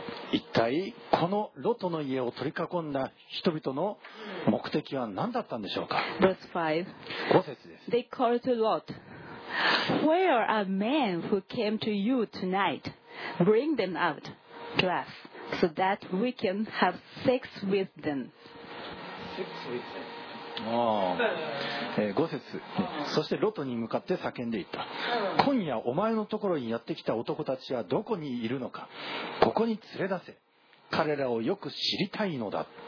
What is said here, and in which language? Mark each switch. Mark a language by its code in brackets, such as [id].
[ja] 一体このロトの家を取り囲んだ人々の目的は何だったんでしょうか。 [en] Verse 5. [ja] 5節です。 [en] They called to Lot. Where are men who came to you tonight? Bring them out, glass, so that we can have sex with them. [ja] 5節、そしてロトに向かって叫んでいった。今夜お前のところにやってきた男たちはどこにいるのか、ここに連れ出せ、彼らをよく知りたいのだ。